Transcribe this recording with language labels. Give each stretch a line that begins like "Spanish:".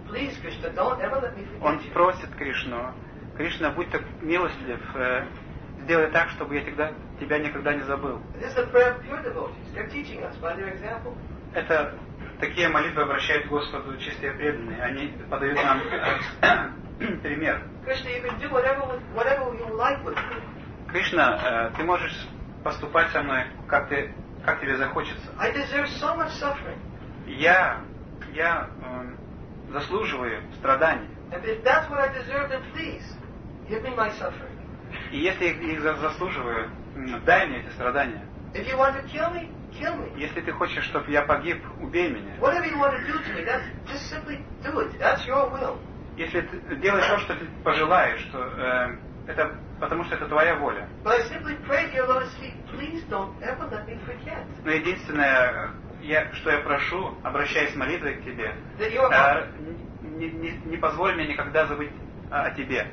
English: Please, Krishna, don't ever let me forget.
Russian: Он просит Кришну: Кришна, будь так милостлив, сделай так, чтобы я тебя никогда не забыл.
English: This is a prayer of pure devotees. They're teaching us by their example.
Russian: Это такие молитвы обращают к Господу чистые преданные. Они подают нам пример.
English: Krishna, you can do whatever you like with me.
Russian: Кришна, ты можешь поступать со мной, как тебе захочется.
English: I deserve so much suffering.
Russian: Я заслуживаю страданий.
English: And if that's what I deserve, then please give me my suffering.
Russian: И если их заслуживаю, дай мне эти страдания.
English: If you want to kill me, kill me.
Russian: Если ты хочешь, чтобы я погиб, убей меня.
English: Whatever you want to do to me, that's just simply do it. That's your will.
Russian: Если ты делаешь то, что ты пожелаешь, что это потому что это твоя воля.
English: But I simply pray to your lotus feet, please don't ever let me forget.
Russian: Но единственное, что я прошу, обращаясь молитвой к тебе, не позволь мне никогда забыть о тебе.